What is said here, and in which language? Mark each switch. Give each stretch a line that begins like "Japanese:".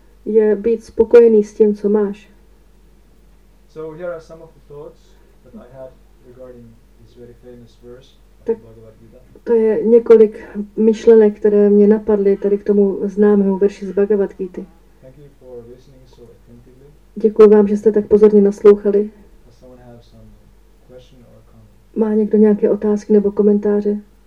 Czech: Je být spokojený s tím, co máš.
English: So here are some of the thoughts that I had regarding this very famous verse of the Bhagavad Gita.
Czech: To je několik myšlenek, které mě napadly tady k tomu známému verši z Bhagavad Gita.
English: Thank you for listening so attentively.
Czech: Děkuji vám, že jste tak pozorně naslouchali.
English: Does someone have some question or comment?
Czech: Má někdo nějaké otázky nebo komentáře?